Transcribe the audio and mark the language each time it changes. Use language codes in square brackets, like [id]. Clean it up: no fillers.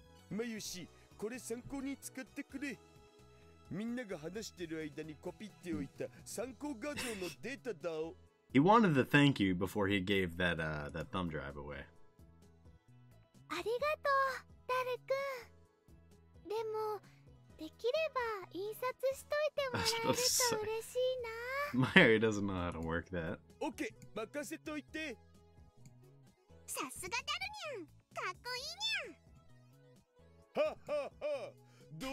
[ja] マユシ、これ参考に使ってくれ。みんなが話してる間にコピっておいた参考画像のデータだお。 [en] He wanted the thank you before he gave that, that thumb drive away. [ja] ありがとう、ダル君。でも、できれば印刷しといてもらえると嬉しいな。 [en] Mary doesn't know how to work that. [ja] OK! 任せといて。さすがダルニャン、かっこいいニャン。